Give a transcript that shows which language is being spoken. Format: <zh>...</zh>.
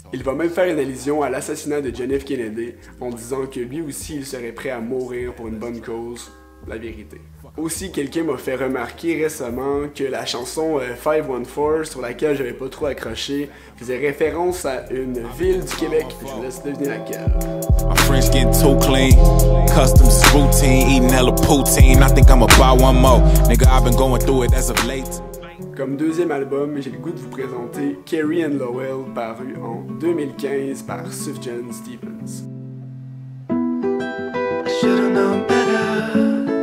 <fr>Il va même faire une allusion à l'assassinat de John F. Kennedy en disant que lui aussi, il serait prêt à mourir pour une bonne cause, la vérité. Aussi, quelqu'un m'a fait remarquer récemment que la chanson 514, sur laquelle j'avais pas trop accroché, faisait référence à une ville du Québec. Je vous laisse deviner laquelle.</fr> <en>My French getting too clean, customs is routine, eating hella poutine, I think I'ma buy one more, nigga I've been going through it as of late.</en> <fr>Comme deuxième album, j'ai le goût de vous présenter Kerry and Lowell, paru en 2015 par Sufjan Stevens.</fr> <en>I should've known better.</en>